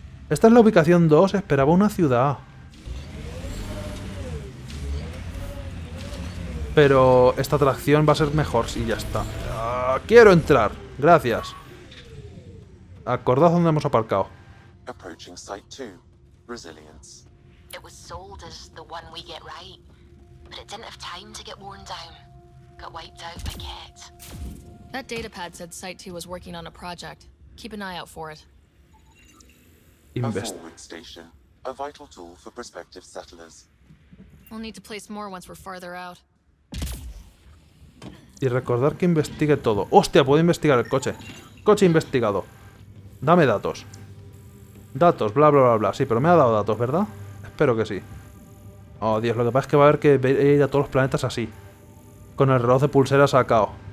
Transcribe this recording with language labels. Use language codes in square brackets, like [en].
[es] Esta es la ubicación 2, esperaba una ciudad. Pero esta atracción va a ser mejor si ya está. ¡Quiero entrar! ¡Gracias! Acordad dónde hemos aparcado. [en] Approaching site 2. Resilience. It was sold as the one we get right. But it didn't have time to get worn down. Got wiped out by Kett. That datapad said site 2 was working on a project. Keep an eye out for it. A forward station. A vital tool for prospective settlers. We'll need to place more once we're farther out. [es] Y recordar que investigue todo. ¡Hostia! Puedo investigar el coche. Coche investigado. Dame datos. Datos, bla bla bla bla. Sí, pero me ha dado datos, ¿verdad? Espero que sí. Oh, Dios, lo que pasa es que va a haber que ir a todos los planetas así. Con el reloj de pulsera sacado.